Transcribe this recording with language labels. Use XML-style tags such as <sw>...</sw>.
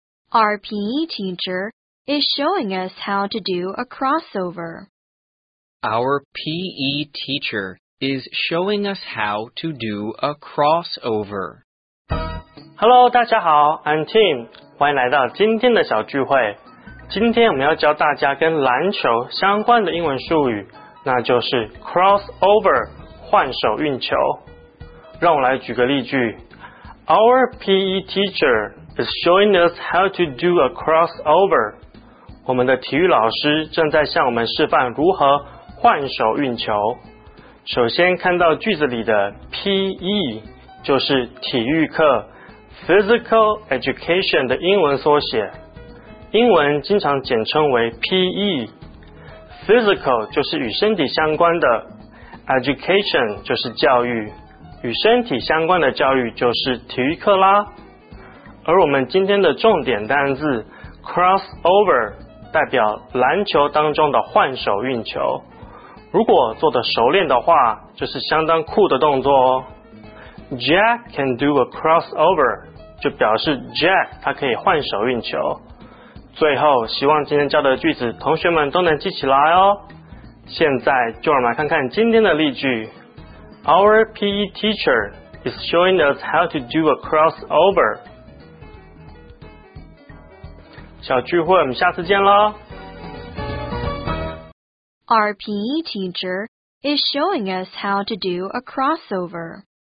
<en>Our PE teacher is showing us how to do a crossover. Our PE teacher is showing us how to do a crossover. Hello,</en> <zh>大家好</zh> <en>I'm Tim.</en> <zh>欢迎来到今天的小聚会。今天我们要教大家跟篮球相关的英文术语，那就是 crossover 换手运球。让我来举个例句。</zh> <en>Our PE teacher is showing us how to do a crossover.</en> <zh>我们的体育老师正在向我们示范如何换手运球。首先看到句子里的 PE 就是体育课 Physical Education 的英文缩写，英文经常简称为 PE。 Physical 就是与身体相关的， Education 就是教育，与身体相关的教育就是体育课啦。而我们今天的重点单字 crossover 代表篮球当中的换手运球，如果做得熟练的话，就是相当酷的动作哦。</zh> <en>Jack can do a crossover，</en> <zh>就表示 Jack 他可以换手运球。最后，希望今天教的句子同学们都能记起来哦。现在就让我们来看看今天的例句。</zh> <en>Our PE teacher is showing us how to do a crossover。</en> <zh>小聚会，我们下次见咯。</zh> <en>Our PE teacher is showing us how to do a crossover.</en>